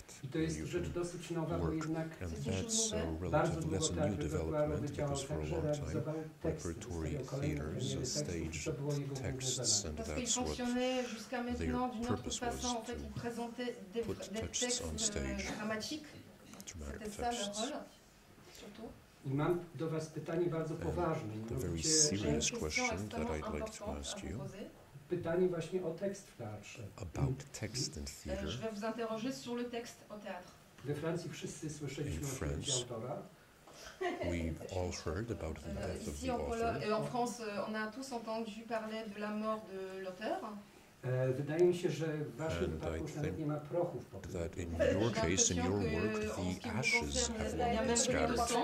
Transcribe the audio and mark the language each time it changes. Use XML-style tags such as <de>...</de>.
<pl>i to jest rzecz dosyć nowa, bo jednak bardzo długo teatr repertuarowy działał tak, że realizował teksty z kolejnego stage, to było jego główne zadanie.</pl> <en>Their purpose was to put texts on stage, dramatic texts.</en> <pl>I mam do was pytanie bardzo poważne.</pl> <en>The very serious question that I'd like to ask you.</en> <pl>Pytanie właśnie o tekst w teatrze.</pl> <en>About text in theater.</en> <fr>Je vais vous interroger sur le texte au théâtre.</fr> <pl>We France, wszyscy słyszeliśmy o śmierci autora.</pl> <en>We all heard about the death of the author.</en> <fr>Et en France, on a tous entendu parler de la mort de l'auteur.</fr> <pl>Wydaje mi się, że w waszym wypadku nie ma prochów po prostu.</pl> <en>That in your case, in your work, the ashes have been scattered.</en>